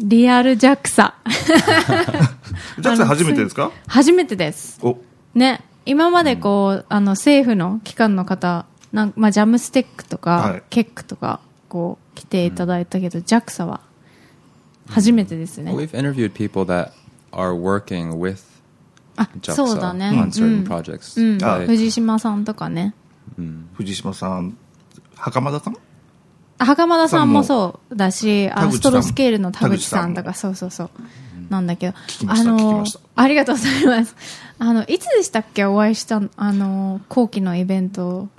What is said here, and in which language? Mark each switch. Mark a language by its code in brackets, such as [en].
[ja] リアル JAXA JAXA 初めてですか？初めてです。お、ね、今までこう、うん、あの政府の機関の方なんか、まあ、ジャムステックとか、はい、ケックとかこう来ていただいたけど、うん、JAXA は初めてですね。 [en] We've interviewed people that are working with JAXA、 [ja] あ、そうだね、 [en] on certain projects、 [ja] うん、うん、藤島さんとかね、うん、藤島さん、袴田さん、袴田さんもそうだし、アストロスケールの田口さんとか、そうそうそう、なんだけど、ありがとうございます。あのいつでしたっけ、お会いした、あの後期のイベント、